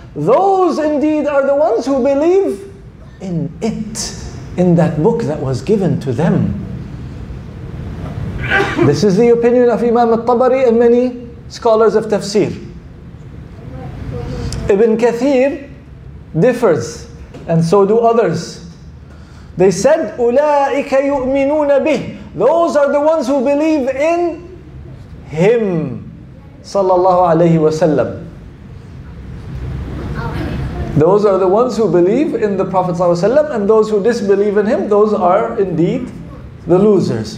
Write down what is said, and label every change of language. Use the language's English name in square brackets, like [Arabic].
[English] Those indeed are the ones who believe in it, in that book that was given to them. This is the opinion of Imam al-Tabari and many scholars of tafsir. Ibn Kathir differs, and so do others. They said, [Arabic] أُولَٰئِكَ يُؤْمِنُونَ بِهِ. [English] Those are the ones who believe in him, صلى الله عليه وسلم. Those are the ones who believe in the Prophet ﷺ, and those who disbelieve in him, those are indeed the losers.